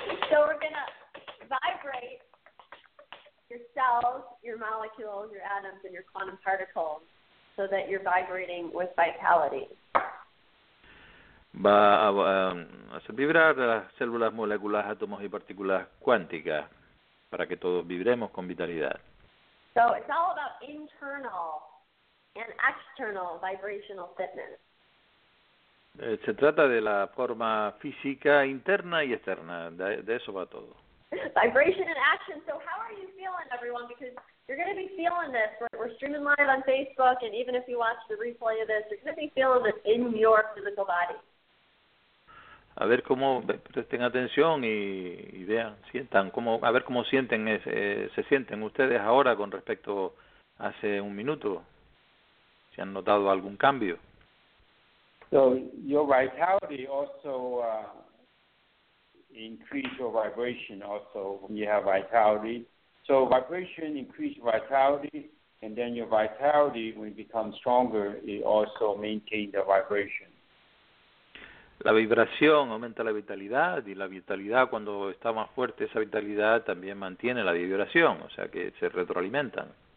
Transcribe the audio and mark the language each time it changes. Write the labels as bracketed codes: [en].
[en] So we're gonna vibrate your cells, your molecules, your atoms, and your quantum particles so that you're vibrating with vitality. [es] Va a hacer vibrar las células, moléculas, átomos y partículas cuánticas para que todos vibremos con vitalidad. [en] So it's all about internal and external vibrational fitness. [es] Se trata de la forma física interna y externa. De eso va todo. [en] Vibration and action. So how are you feeling, everyone? Because you're going to be feeling this. We're streaming live on Facebook, and even if you watch the replay of this, you're going to be feeling this in your physical body. [es] A ver cómo, presten atención y vean, sientan, cómo, a ver cómo sienten se sienten ustedes ahora con respecto a hace un minuto. ¿Si han notado algún cambio? [en] So, your vitality also increase your vibration also when you have vitality. So, vibration increase vitality, and then your vitality, when it becomes stronger, it also maintains the vibration. [es] La vibración aumenta la vitalidad y la vitalidad cuando está más fuerte esa vitalidad también mantiene la vibración, o sea que se retroalimentan.